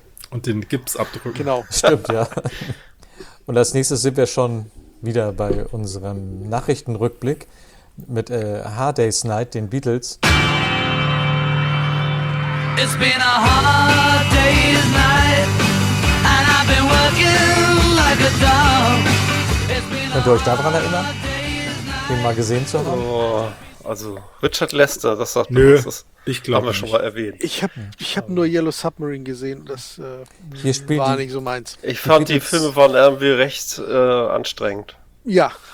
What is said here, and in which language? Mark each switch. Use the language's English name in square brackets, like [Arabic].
[German] Und den Gips abdrücken. Genau. Stimmt, ja. Und als nächstes sind wir schon wieder bei unserem Nachrichtenrückblick mit Hard Day's Night, den Beatles. [English] It's been a hard day's night and I've been working like a dog. [German] Könnt ihr euch daran erinnern, den mal gesehen zu haben? Oh, also Richard Lester, das sagt nö. Man, ich glaube, schon mal erwähnt. Ich habe nur Yellow Submarine gesehen. Das war nicht so meins. Ich fand, die Filme waren irgendwie recht anstrengend. Ja.